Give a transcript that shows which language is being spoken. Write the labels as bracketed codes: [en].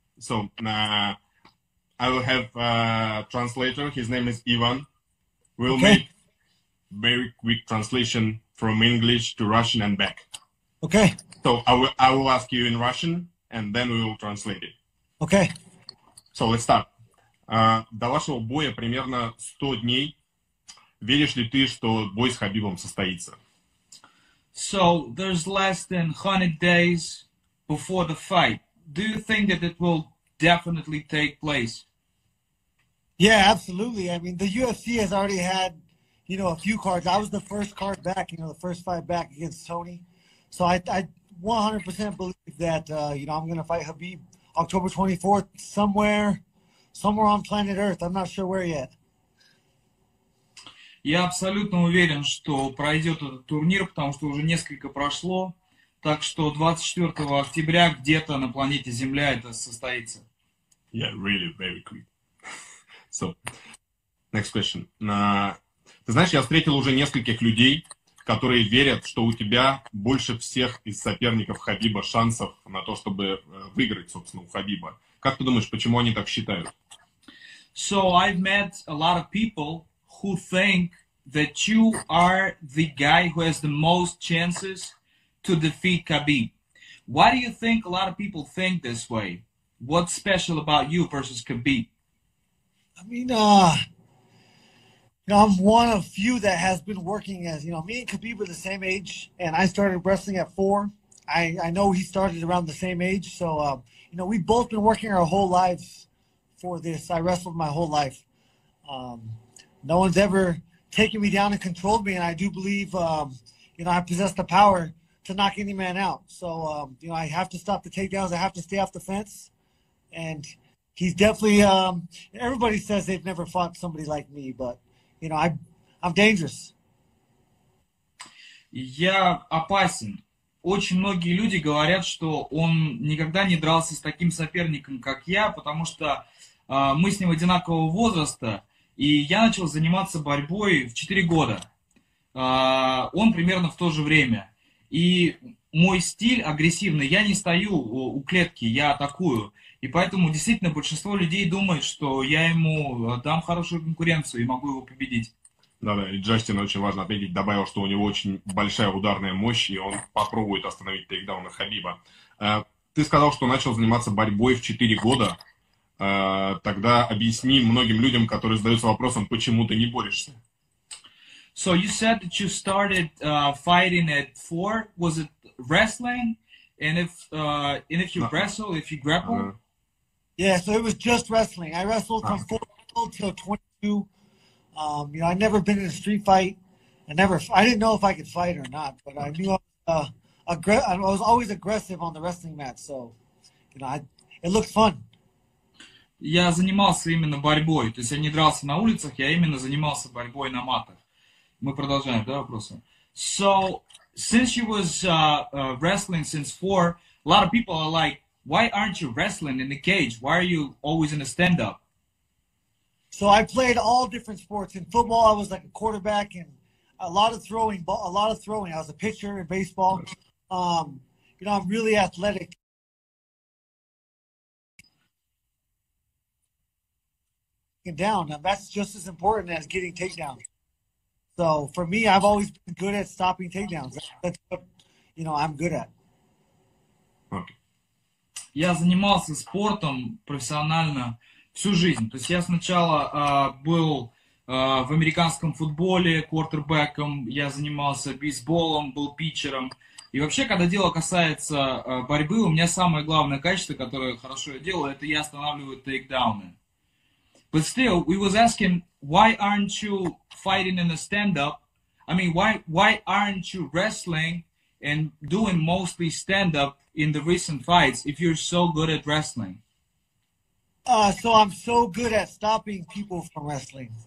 [en] So I will have a translator. His name is Ivan. We'll make very quick translation from English to Russian and back. Okay. So I will ask you in Russian, and then we will translate it. Okay. So let's start. [ru] До вашего боя примерно 100 дней. Веришь ли ты, что бой с Хабибом состоится? [en] So there's less than 100 days before the fight. Do you think that it will definitely take place? Yeah, absolutely. I mean, the UFC has already had, you know, a few cards. I was the first card back, you know, the first fight back against Tony. So I 100% believe that, you know, I'm going to fight Khabib October 24th somewhere on planet Earth. I'm not sure where yet. [ru] Я абсолютно уверен, что пройдет этот турнир, потому что уже несколько прошло. Так что 24 октября где-то на планете Земля это состоится. [en] Yeah, really, very quick. So, next question. [ru] Ты знаешь, я встретил уже нескольких людей, которые верят, что у тебя больше всех из соперников Хабиба шансов на то, чтобы выиграть, собственно, у Хабиба. Как ты думаешь, почему они так считают? [en] So, I've met a lot of people who think that you are the guy who has the most chances to defeat Khabib. Why do you think a lot of people think this way? What's special about you versus Khabib? I mean, I'm one of few that has been working as, you know, me and Khabib are the same age, and I started wrestling at 4. I know he started around the same age, so, you know, we've both been working our whole lives for this. I wrestled my whole life. No one's ever taken me down and controlled me, and I do believe, you know, I possess the power to knock any man out. So, you know, I have to stop the takedowns. I have to stay off the fence. And he's definitely, everybody says they've never fought somebody like me, but, you know, I'm dangerous. [ru] Я опасен. Очень многие люди говорят, что он никогда не дрался с таким соперником, как я, потому что мы с ним одинакового возраста. И я начал заниматься борьбой в 4 года. Он примерно в то же время. И мой стиль агрессивный. Я не стою у клетки, я атакую. И поэтому действительно большинство людей думает, что я ему дам хорошую конкуренцию и могу его победить. Да-да, и Джастин, очень важно отметить, добавил, что у него очень большая ударная мощь, и он попробует остановить тейкдауна Хабиба. Ты сказал, что начал заниматься борьбой в 4 года. Тогда объясни многим людям, которые задаются вопросом, почему ты не борешься. [en] So you said that you started fighting at 4. Was it wrestling? And if you wrestle, if you grapple? Yeah, so it was just wrestling. I wrestled from 4 till 22. You know, I'd never been in a street fight. I didn't know if I could fight or not, but I knew I was always aggressive on the wrestling mat, so you know, it looked fun. [ru] Я занимался именно борьбой. То есть я не дрался на улицах, я именно занимался борьбой на матах. Мы продолжаем, да, вопросы? [en] So, since you was wrestling since 4, a lot of people are like, why aren't you wrestling in the cage? Why are you always in a stand-up? So I played all different sports. In football, I was like a quarterback, and a lot of throwing. I was a pitcher in baseball. You know, I'm really athletic. Down, and that's just as important as getting takedowns. So for me, I've always been good at stopping takedowns. That's what, you know, I'm good at. [ru] Okay. Я занимался спортом профессионально всю жизнь. То есть я сначала был в американском футболе квотербеком, я занимался бейсболом, был питчером. И вообще, когда дело касается борьбы, у меня самое главное качество, которое хорошо я делаю, это я останавливаю тейкдауны. [en] But still, we was asking, why aren't you fighting in a stand-up? I mean, why aren't you wrestling and doing mostly stand-up in the recent fights if you're so good at wrestling? So I'm so good at stopping people from wrestling.